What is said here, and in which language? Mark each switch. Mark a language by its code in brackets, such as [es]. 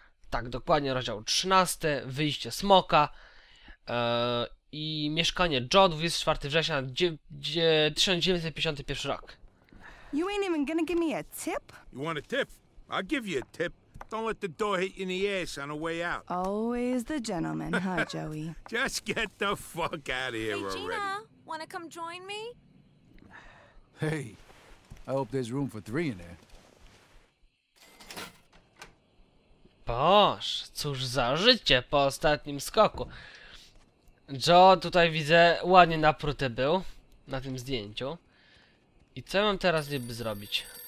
[pl] Tak, dokładnie, rozdział 13, wyjście smoka i mieszkanie Joe, 24 września 1951 rok. [en] You ain't even gonna give me a tip? You want a tip? I'll give you a tip. Don't let the door hit you in the ass on the way out. Always the gentleman, huh, Joey? Just get the fuck out of here already. Hey, Gina, wanna come join me? Hey, I hope there's room for three in there. [pl] Boż, cóż za życie po ostatnim skoku. Joe, tutaj widzę, ładnie napruty był na tym zdjęciu. I co mam teraz niby zrobić?